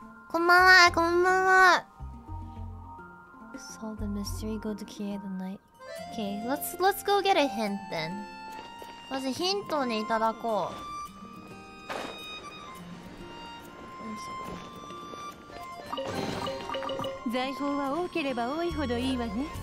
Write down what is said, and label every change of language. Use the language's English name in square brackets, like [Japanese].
[Japanese] こんばんは、こんばんは。 [English] Solve the mystery, go to Kia the night. Okay, let's go get a hint then. [Japanese] まずヒントをね、いただこう。財宝は多ければ多いほどいいわね。